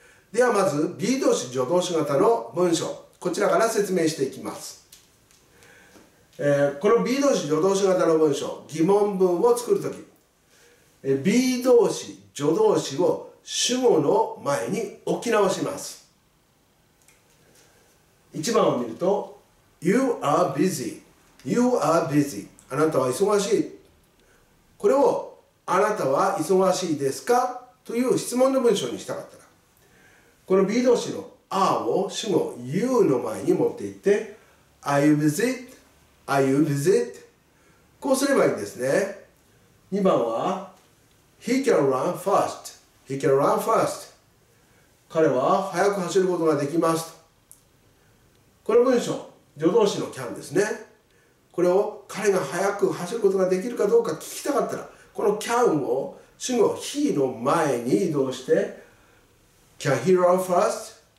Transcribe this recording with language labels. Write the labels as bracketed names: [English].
[Japanese] ではまず be 動詞助動詞型の文章、こちらから説明していきます。この be 動詞助動詞型の文章、疑問文を作るとき、 be 動詞助動詞を主語の前に置き直します。 [English] 1番を見ると You are busy. You are busy. [Japanese] あなたは忙しい。これをあなたは忙しいですかという質問の文章にしたかったら、この B 動詞の are を主語 you の前に持っていって [English] Are you busy? Are you busy? [Japanese] こうすればいいんですね。 [English] 2番は He can run fast. He can run fast. [Japanese] 彼は早く走ることができます。この文章、助動詞の can ですね。これを彼が速く走ることができるかどうか聞きたかったら、この can を主語 he の前に移動して [English] can he run first?